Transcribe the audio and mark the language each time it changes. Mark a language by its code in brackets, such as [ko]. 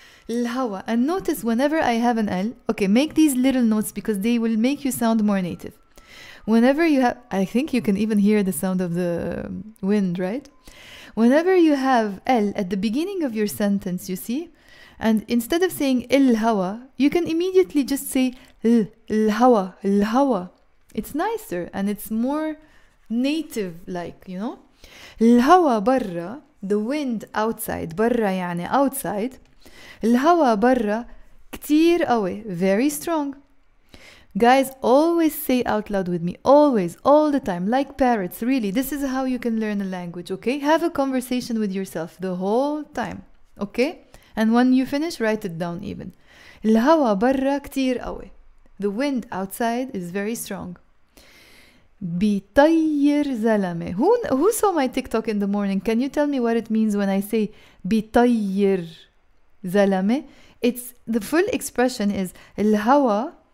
[en] الهواء and notice whenever I have an L okay make these little notes because they will make you sound more native whenever you have I think you can even hear the sound of the wind right whenever you have L at the beginning of your sentence you see and instead of saying الهواء you can immediately just say الهواء الهواء it's nicer and it's more native like you know [ar] الهواء برا [en] The wind outside, [ar] برا يعني [en] outside. [ar] الهواء برا كتير قوي, [en] very strong. Guys, always say out loud with me. Always, all the time, like parrots, really. This is how you can learn a language, okay? Have a conversation with yourself the whole time, okay? And when you finish, write it down even. [ar] الهواء برا كتير قوي. [en] The wind outside is very strong. [ar] بيطير زلمة [en] who saw my TikTok in the morning can you tell me what it means when I say بيطير زلمة it's the full expression is الهوى